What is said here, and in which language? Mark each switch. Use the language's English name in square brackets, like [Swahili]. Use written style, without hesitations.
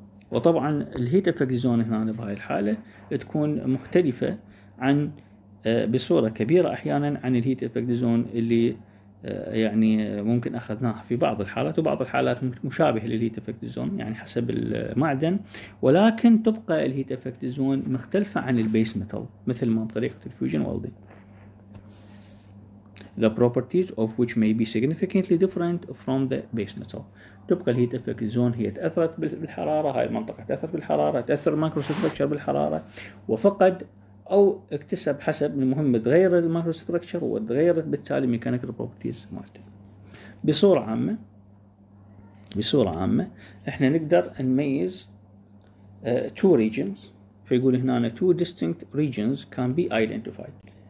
[Arabic] وطبعا الهيت افكت زون هنا بهاي الحالة تكون مختلفة عن بصورة كبيرة احيانا عن الهيت افكت زون اللي يعني ممكن اخذناها في بعض الحالات، وبعض الحالات مشابهة للهيت افكت زون يعني حسب المعدن، ولكن تبقى الهيت افكت زون مختلفة عن البيس ميتال مثل ما بطريقة الفيوجن ويلدنج. [English] The properties of which may be significantly different from the base metal. [Arabic] تبقى الهيت افكت زون هي تأثرت بالحرارة، هاي المنطقة تأثر بالحرارة، تأثر الميكروستركتشر بالحرارة، وفقد أو اكتسب حسب المهم تغير الميكروستركتشر وتغيرت بالتالي ميكانيكال بروبرتيز مالته. بصورة عامة احنا نقدر نميز two regions، فيقول هنا two distinct regions can be identified.